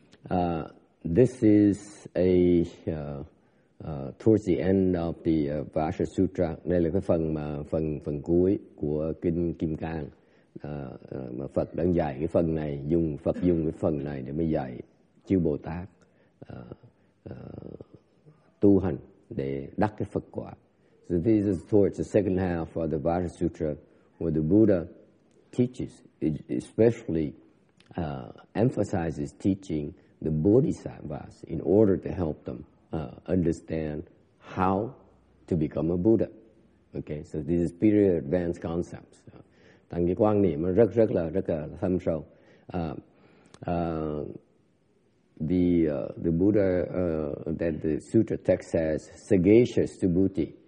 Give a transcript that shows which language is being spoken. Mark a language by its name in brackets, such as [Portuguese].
[English] This is a towards the end of the Vajra Sutra, [Vietnamese] đây là cái phần mà phần cuối của kinh Kim Cang mà Phật đang dạy cái phần này, dùng Phật dùng cái phần này để mới dạy chư Bồ Tát tu hành để đắc cái Phật quả. [English] So this is towards the second half of the Vajra Sutra, where the Buddha teaches, especially emphasizes teaching the Bodhisattvas in order to help them understand how to become a Buddha. Okay, so this is pretty advanced concepts. [Vietnamese] Thành cái quan niệm rất là thâm sâu. [English] The Buddha that the sutra text says sagacious Subhuti.